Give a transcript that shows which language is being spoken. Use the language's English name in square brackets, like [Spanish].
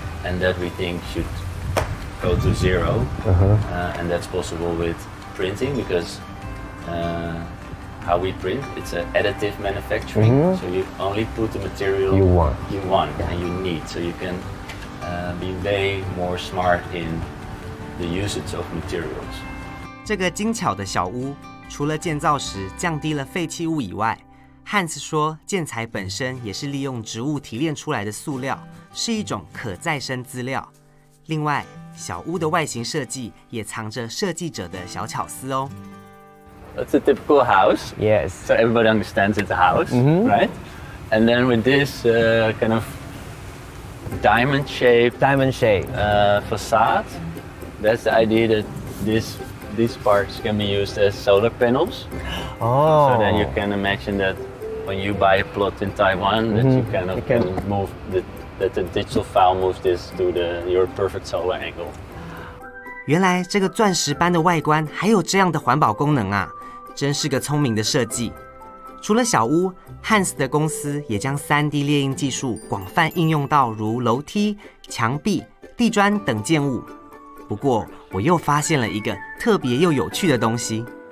[English] And that we think should go to zero. And that's possible with printing, because how we print, it's an additive manufacturing. Mm-hmm. So you only put the material you want yeah. and you need, so you canbe way more smart in the usage of materials. [Chinese] 这个精巧的小屋，除了建造时降低了废弃物以外 ，Hans 说，建材本身也是利用植物提炼出来的塑料，是一种可再生资料。另外，小屋的外形设计也藏着设计者的小巧思哦。 [English] That's a typical house. Yes. So everybody understands it's a house,、mm-hmm. right? And then with this kind of. Diamond shape. Facade. That's the idea that these parts can be used as solar panels. Oh. So then you can imagine that when you buy a plot in Taiwan, that、mm-hmm. you can move the digital file moves this to your perfect solar angle. [Chinese] 原来这个钻石般的外观还有这样的环保功能啊，真是个聪明的设计。除了小屋 ，Hans 的公司也将 3D 列印技术广泛应用到如楼梯、墙壁、地砖等建物。不过，我又发现了一个特别又有趣的东西。